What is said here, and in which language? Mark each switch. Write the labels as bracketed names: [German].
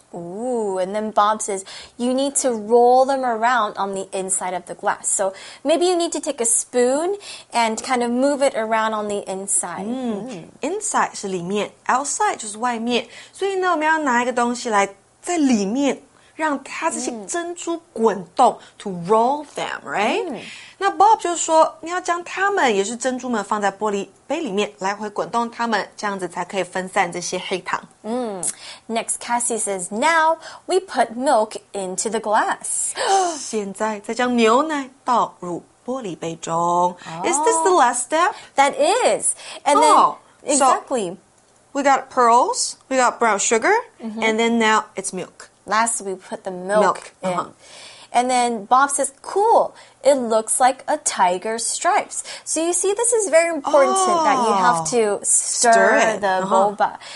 [English] Ooh, and then Bob says, you need to roll them around on the inside of the glass. So maybe you need to take a spoon and kind of move it around on the inside. [Chinese] Inside 是里面 ，outside 就是外面。所以呢，我们要拿一个东西来在里面。让它这些珍珠滚动 [English] to roll them, right? [Chinese] 那 Bob 就说你要将它们也是珍珠们放在玻璃杯里面来回滚动它们这样子才可以分散这些黑糖。 [English] Next, Cassie says, now we put milk into the glass. [Chinese] 现在再将牛奶倒入玻璃杯中。 [English] Is this the last step? That is. And then, exactly. We got pearls, we got brown sugar, and then now it's milk. Last, we put the milk in. And then Bob says, cool, it looks like a tiger's stripes. So you see, this is very important that you have to stir it. The boba.